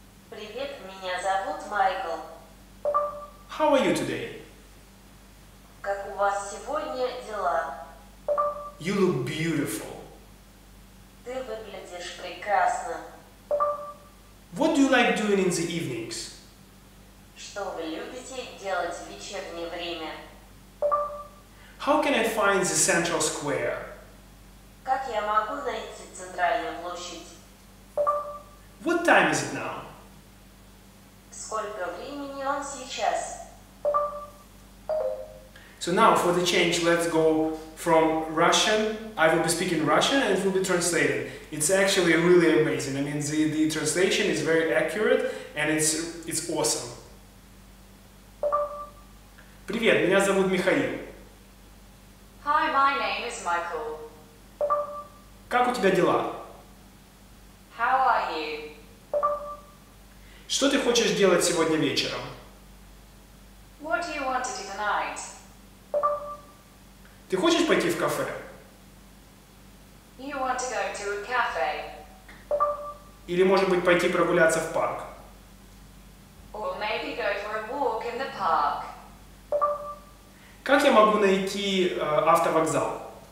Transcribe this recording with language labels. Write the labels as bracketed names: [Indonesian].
[Russian] Привет, меня зовут Майкл. [English] How are you today? [Russian] Как у вас сегодня дела? [English] You look beautiful. [Russian] Ты выглядишь прекрасно. [English] What do you like doing in the evenings? [Russian] Что вы любите делать в вечернее время? [English] How can I find the central square? [Russian] Как я могу найти центральную площадь? [English] What time is it now? [Russian] Сколько времени он сейчас? [English] So now, for the change, let's go from Russian. I will be speaking Russian and it will be translated. It's actually really amazing. I mean, the translation is very accurate and it's awesome. [Russian] Привет, меня зовут Михаил. [English] Hi, my name is Michael. [Russian] Как у тебя дела? [English] How are you? [Russian] Что ты хочешь делать сегодня вечером? [English] What do you want to do tonight? [Russian] Ты хочешь пойти в кафе? [English] You want to go to a cafe. [Russian] Или, может быть, пойти прогуляться в парк? [English] Or maybe go for a walk in the park. [Russian] Как я могу найти автовокзал?